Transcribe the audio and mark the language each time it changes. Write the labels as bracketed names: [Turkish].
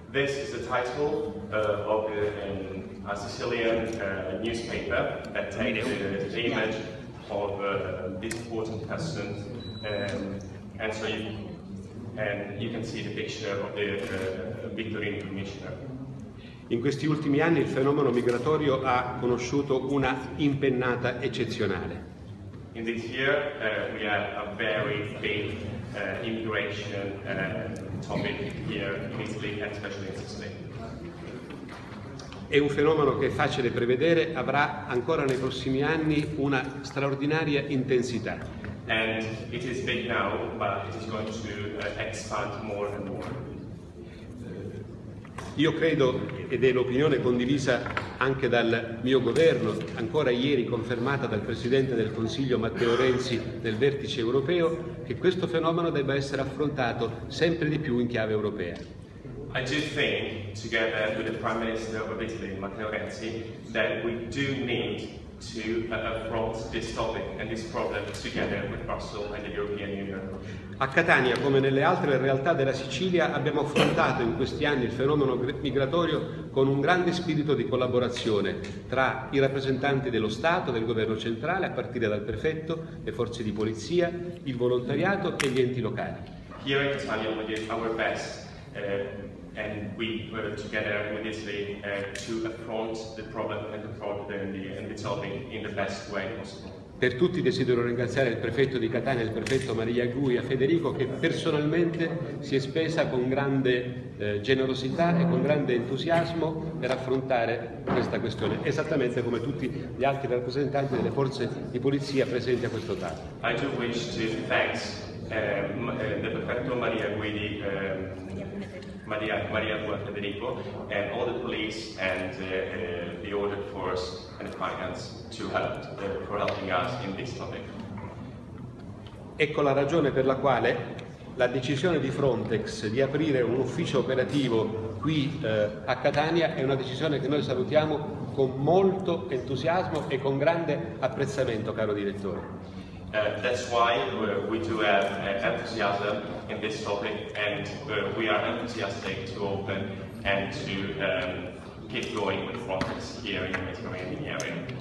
[English] This is the title of a Sicilian newspaper that takes the image of this important person, and so you can see the picture of the Vitorino commissioner. [Italian] In questi ultimi anni il fenomeno migratorio ha conosciuto una impennata eccezionale. [English] In this year, we have a very big immigration topic here in Italy, especially in Sicily. [Italian] È un fenomeno che è facile prevedere, avrà ancora nei prossimi anni una straordinaria intensità. [English] And it is big now, but it is going to expand more and more. [Italian] Io credo, ed è l'opinione condivisa anche dal mio governo, ancora ieri confermata dal Presidente del Consiglio Matteo Renzi nel Vertice europeo, che questo fenomeno debba essere affrontato sempre di più in chiave europea. [English] I do think, together with the Prime Minister of Italy, Matteo Renzi, that we do need to affront this topic and this problem together with Brussels and the European Union. [Italian] A Catania, come nelle altre realtà della Sicilia, abbiamo affrontato in questi anni il fenomeno migratorio con un grande spirito di collaborazione tra i rappresentanti dello Stato, del governo centrale, a partire dal prefetto, le forze di polizia, il volontariato e gli enti locali. [English] Here in Catania we did our best and we were together with Italy to affront the problem and the problem and the topic in the best way possible. [Italian] Per tutti desidero ringraziare il prefetto di Catania, il prefetto Maria Guia Federico, che personalmente si è spesa con grande generosità e con grande entusiasmo per affrontare questa questione, esattamente come tutti gli altri rappresentanti delle forze di polizia presenti a questo tavolo. [English] I do wish to thank the prefetto Maria Guidi, Maria Guia Federico, and all the police and the order force and finance to help for helping us in this topic. [Italian] Ecco la ragione per la quale la decisione di Frontex di aprire un ufficio operativo qui a Catania è una decisione che noi salutiamo con molto entusiasmo e con grande apprezzamento, caro direttore. [English] That's why we do have enthusiasm in this topic, and we are enthusiastic to open and to keep going with projects here in the Mediterranean area.